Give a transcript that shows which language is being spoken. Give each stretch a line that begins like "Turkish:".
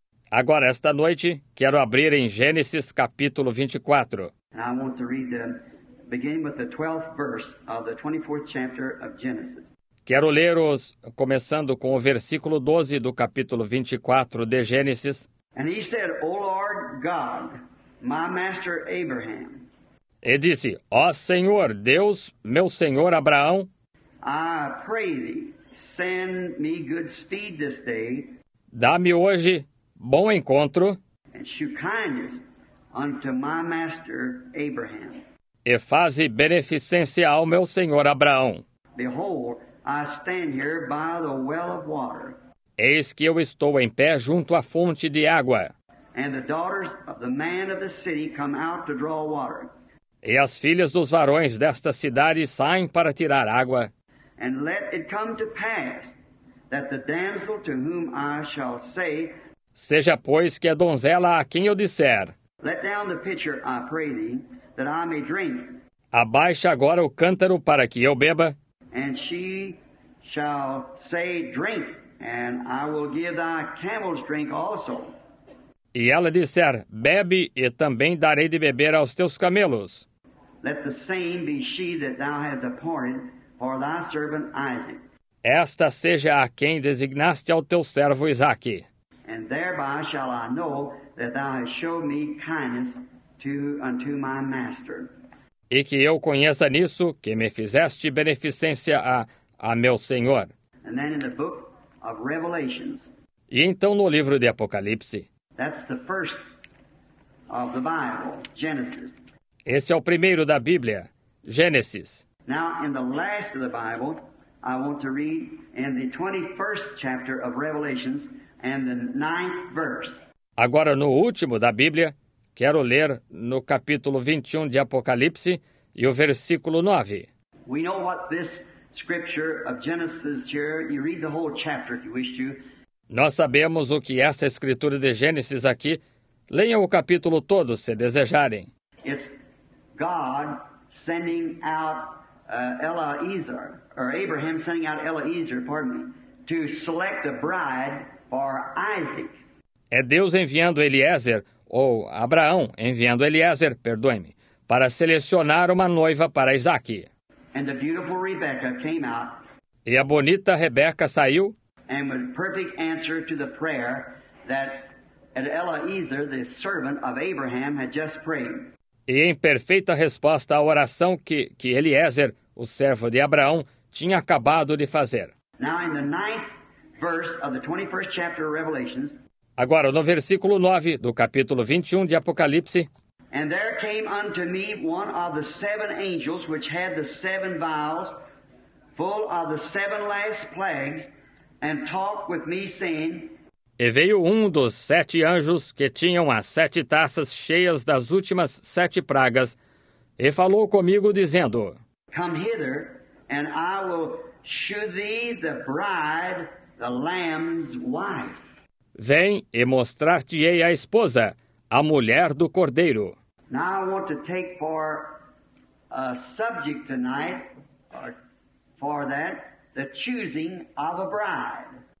Portuguese: Agora, esta noite, quero abrir em Gênesis capítulo 24. E eu quero ler o
English: beginning with the 12th verse of the 24th chapter of Genesis.
Portuguese: Quero ler os começando com o versículo 12 do capítulo 24 de Gênesis.
English: And he said, O Lord God, my master Abraham.
Portuguese: E disse, ó Senhor Deus, meu Senhor Abraão.
English: I pray thee, send me good speed this day.
Portuguese: Dá-me hoje bom encontro.
English: And shew kindness unto my master Abraham.
Portuguese: E faze beneficência ao meu senhor Abraão.
English: Behold, I stand here by the well of water.
Portuguese: Eis que eu estou em pé junto à fonte de água.
English: And the daughters of the man of the city come out to draw water.
Portuguese: E as filhas dos varões desta cidade saem para tirar água.
English: And let it come to pass that the damsel to whom I shall say,
Portuguese: seja pois que a donzela a quem eu disser,
English: let down the pitcher, I pray thee, that I may drink.
Portuguese: Abaixa agora o cântaro para que eu beba.
English: And she shall say, drink, and I will give thy camels drink also.
Portuguese: E ela disser, bebe, e também darei de beber aos teus camelos.
English: Let the same be she that thou hast appointed for thy servant Isaac.
Portuguese: Esta seja a quem designaste ao teu servo Isaac.
English: And thereby shall I know that thou hast showed me kindness unto my master.
Portuguese: E que eu conheça nisso que me fizeste beneficência a meu senhor.
English: And then in the book of Revelations.
Portuguese: E então no livro de Apocalipse.
English: That's the first of the Bible, Genesis.
Portuguese: Esse é o primeiro da Bíblia, Gênesis.
English: Now in the last of the Bible, I want to read in the 21st chapter of Revelations and the 9th verse.
Portuguese: Agora no último da Bíblia, quero ler no capítulo 21 de Apocalipse e o versículo 9.
English: We know what this scripture of Genesis here, you read the whole chapter if you wish to.
Portuguese: Nós sabemos o que esta escritura de Gênesis aqui. Leiam o capítulo todo, se desejarem.
English: It's God sending out Eliezer, or Abraham sending out Eliezer, pardon me, to select a bride for Isaac.
Portuguese: É Deus enviando Eliezer, ou Abraão enviando Eliezer, perdoe-me, para selecionar uma noiva para Isaac.
English: And the beautiful Rebecca came out.
Portuguese: E a bonita Rebeca saiu.
English: And with a perfect answer to the prayer that Eliezer, the servant of Abraham, had just prayed.
Portuguese: E em perfeita resposta à oração que Eliezer, o servo de Abraão, tinha acabado de fazer.
English: Now in the 9th verse of the 21st chapter of Revelations.
Portuguese: Agora, no versículo 9 do capítulo 21 de Apocalipse.
English: And there came unto me one of the seven angels which had the seven vials full of the seven last plagues, and talked with me, saying.
Portuguese: E veio um dos sete anjos que tinham as sete taças cheias das últimas sete pragas, e falou comigo, dizendo.
English: Come hither, and I will shew thee the bride, the Lamb's wife.
Portuguese: Vem e mostrar-te-ei a esposa, a mulher do Cordeiro.
English: Now I want to take for a subject tonight, for that, the choosing of a bride.